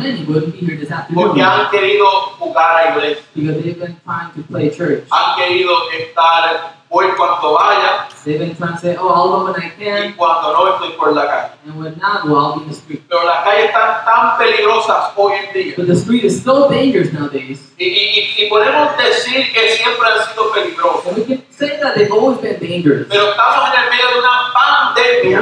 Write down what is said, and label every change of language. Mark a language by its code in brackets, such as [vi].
[en] Many wouldn't be here this afternoon. [es] Porque han querido jugar a iglesia. [en] Because they've been trying to play church. [es] Han querido estar hoy cuando vaya. [en] They've been trying to say, oh, I'll go when I can. [es] Y cuando no estoy por la calle. [en] And when not, well, I'll be in the street. [es] Pero las calles están tan peligrosas hoy en día. [en] But the street is so dangerous nowadays. [es] Y podemos decir que siempre han sido peligrosas. [en] And we can say that they've always been dangerous. [es] Pero estamos en el medio de una pandemia.